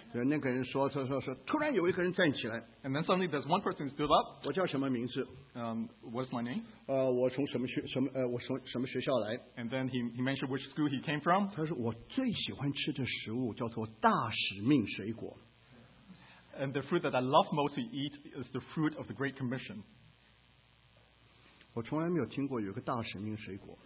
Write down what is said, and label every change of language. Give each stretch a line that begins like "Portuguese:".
Chinese: 那个人说，突然有一个人站起来。
English: And then suddenly there's one person stood up.
Chinese: 我叫什么名字？
English: What's my name?
Chinese: 我从什么学校来？
English: And then he mentioned which school he came from.
Chinese: 他说我最喜欢吃的食物叫做大使命水果。
English: And the fruit that I love most to eat is the fruit of the Great Commission.
Chinese: 我从来没有听过有个大使命水果。